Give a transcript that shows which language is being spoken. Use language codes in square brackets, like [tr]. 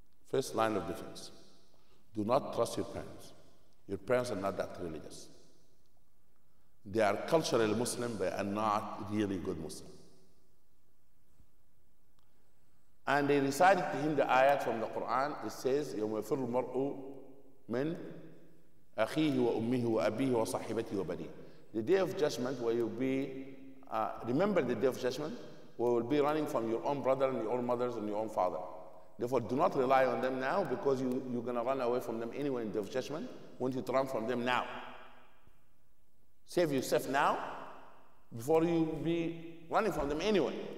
[en] First line of defense. Do not trust your parents. Your parents are not that religious. They are culturally Muslim, but are not really good Muslim. And they recited to him the ayat from the Quran. [ar] It says, يَوْمَ يَفِرُّ الْمَرْءُ مِنْ أَخِيهِ وَأُمِّهِ وَأَبِيهِ وَصَحِبَتِهِ وَبَنِيهِ. [en] The day of judgment, where you'll be, remember the day of judgment, where you'll be running from your own brother and your own mother and your own father. Therefore, do not rely on them now, because you're going to run away from them anyway in the day of judgment. Want you to run from them now. Save yourself now before you be running from them anyway.